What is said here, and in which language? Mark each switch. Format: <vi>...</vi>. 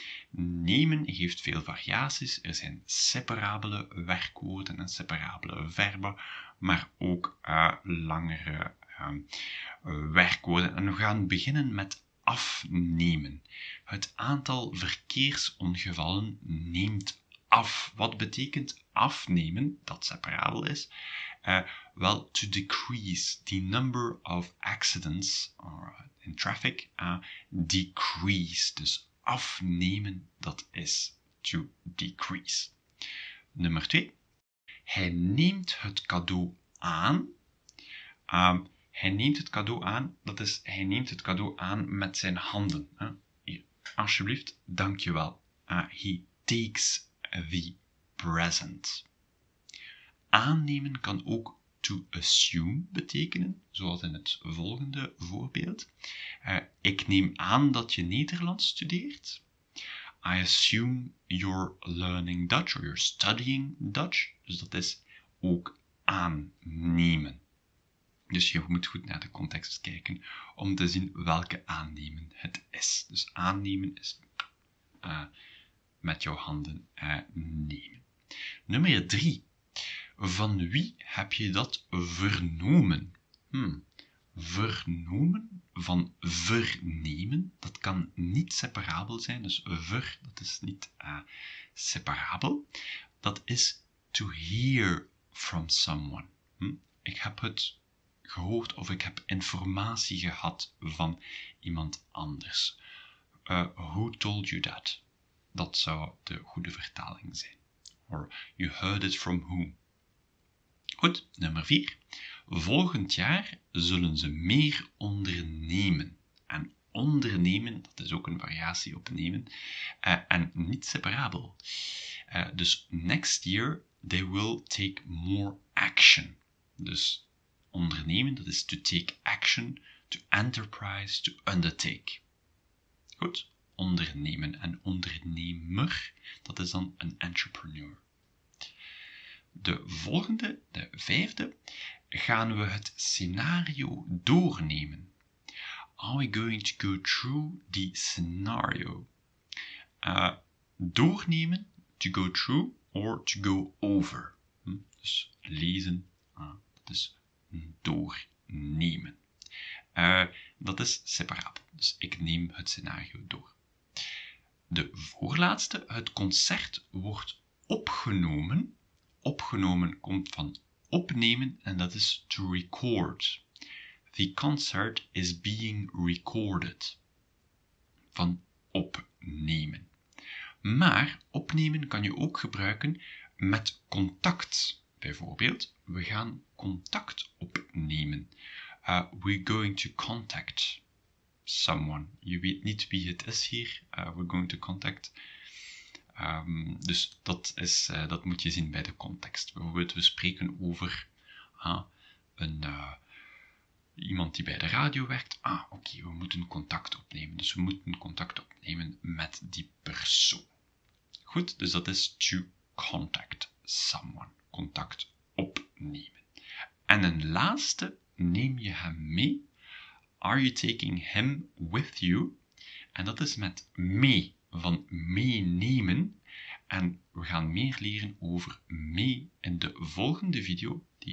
<nl>Nemen heeft veel variaties. Er zijn separabele werkwoorden en separabele verben, maar ook langere werkwoorden. En we gaan beginnen met afnemen. Het aantal verkeersongevallen neemt af. Wat betekent afnemen, dat separabel is?</nl> <en>Wel, to decrease the number of accidents in traffic, decrease.</en> <nl>Dus afnemen, dat is</nl> <en>to decrease.</en> <nl>Nummer 2. Hij neemt het cadeau aan. Hij neemt het cadeau aan, dat is hij neemt het cadeau aan met zijn handen. Hier, alsjeblieft, dankjewel.</nl> <en>He takes the present.</en> <nl>Aannemen kan ook</nl> <en>to assume</en> <nl>betekenen, zoals in het volgende voorbeeld. Ik neem aan dat je Nederlands studeert.</nl> <en>I assume you're learning Dutch or you're studying Dutch.</en> <nl>Dus dat is ook aannemen. Dus je moet goed naar de context kijken om te zien welke aannemen het is. Dus aannemen is met jouw handen nemen. Nummer 3. Van wie heb je dat vernomen? Vernomen van vernemen, dat kan niet separabel zijn. Dus ver, dat is niet separabel. Dat is</nl> <en>to hear from someone.</en> <nl>Ik heb het gehoord of ik heb informatie gehad van iemand anders.</nl> <en>Who told you that?</en> <nl>Dat zou de goede vertaling zijn.</nl> <en>Or you heard it from whom?</en> <nl>Goed, nummer 4. Volgend jaar zullen ze meer ondernemen. En ondernemen, dat is ook een variatie op nemen, en niet separabel. Dus</nl> <en>next year, they will take more action.</en> <nl>Dus ondernemen, dat is</nl> <en>to take action, to enterprise, to undertake.</en> <nl>Goed, ondernemen en ondernemer, dat is dan een entrepreneur. De volgende, de 5e, gaan we het scenario doornemen.</nl> <en>Are we going to go through the scenario? Doornemen, to go through, or to go over.</en> <nl>Dus lezen, dat is doornemen. Dat is separabel, dus ik neem het scenario door. De voorlaatste, het concert wordt opgenomen. Opgenomen komt van opnemen en dat is</nl> <en>to record. The concert is being recorded.</en> <nl>Van opnemen. Maar opnemen kan je ook gebruiken met contact. Bijvoorbeeld, we gaan contact opnemen.</nl> <en>We're going to contact someone.</en> <nl>Je weet niet wie het is hier.</nl> <en>We're going to contact.</en> <nl>Dus dat is, dat moet je zien bij de context. Bijvoorbeeld, we spreken over iemand die bij de radio werkt. Oké, we moeten contact opnemen. Dus we moeten contact opnemen met die persoon. Goed, dus dat is</nl> <en>to contact someone.</en> <nl>Contact opnemen. En een laatste, neem je hem mee?</nl> <en>Are you taking him with you?</en> <nl>En dat is met mee. Van meenemen. En we gaan meer leren over mee in de volgende video.</nl>